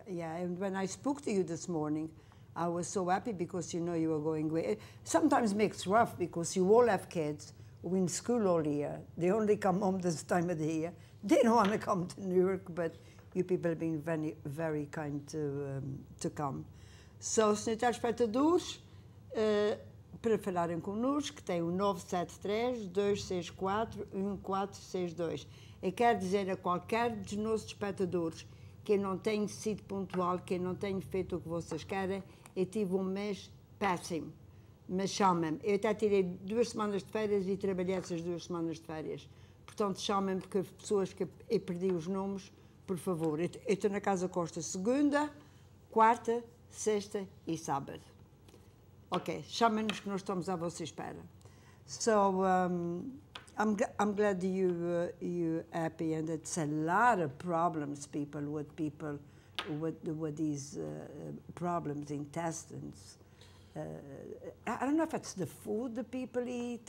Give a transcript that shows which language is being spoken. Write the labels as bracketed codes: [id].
[en] Yeah, and when I spoke to you this morning, I was so happy because you were going great. Sometimes it makes rough because you all have kids who in school all year. They only come home this time of the year. They don't want to come to New York, but you people have been very, very kind to come. [pt] So, senhores telespectadores, para falarem connosco, tem o 973-264-1462. E quer dizer a qualquer dos nossos espectadores que não tenho sido pontual, que não tenho feito o que vocês querem, e tive um mês péssimo. Mas chamem-me. Eu até tirei 2 semanas de férias e trabalhei essas 2 semanas de férias. Portanto, chamem-me porque as pessoas que eu perdi os nomes, por favor. Eu estou na Casa Costa segunda, quarta, sexta e sábado. Ok, chamem-nos que nós estamos à vossa espera. [en] So, I'm glad you're happy and it's a lot of problems, people with these problems, intestines. I don't know if it's the food the people eat.